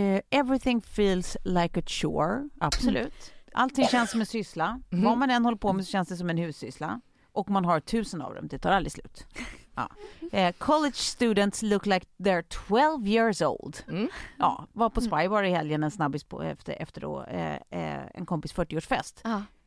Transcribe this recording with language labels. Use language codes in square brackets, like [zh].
[en] Everything feels like a chore. [sv] Absolut. Allting känns som en syssla. Vad man än håller på med så känns det som en hussyssla. Och man har 1000 av dem. Det tar aldrig slut. [en] College students look like they're 12 years old. [sv] Ja, var på Spybar i helgen en snabbis på efter då, en kompis 40-årsfest.